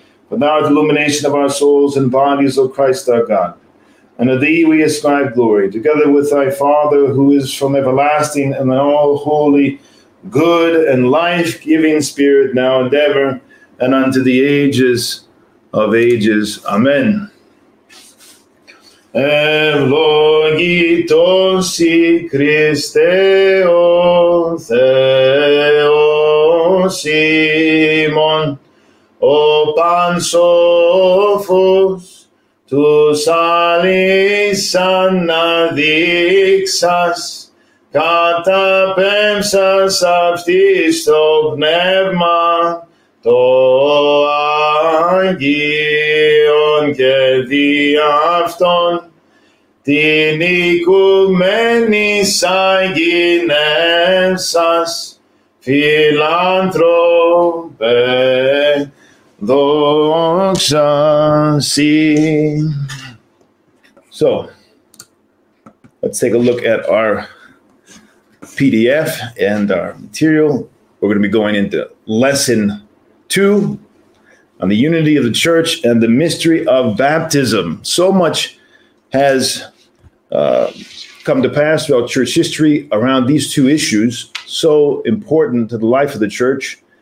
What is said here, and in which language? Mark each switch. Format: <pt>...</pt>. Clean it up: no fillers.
<en>For thou art the illumination of our souls and bodies, O Christ our God. And to thee we ascribe glory, together with thy Father, who is from everlasting and an all holy, good and life-giving Spirit, now and ever, and unto the ages of ages. Amen.</en> <el>Ευλογητώσι Χριστέ ο Θεός ημών, ο πανσόφος τους αλήσαν να δείξας, καταπέμψας αυτής το πνεύμα το Άγιον και δι' αυτόν την οικουμένη σαγηνέν σας, φιλάνθρωπε, δόξα σοι.</el> <en>So, let's take a look at our PDF and our material. We're going to be going into Lesson 2 on the unity of the Church and the mystery of baptism. So much has come to pass throughout church history around these two issues, so important to the life of the church.</en>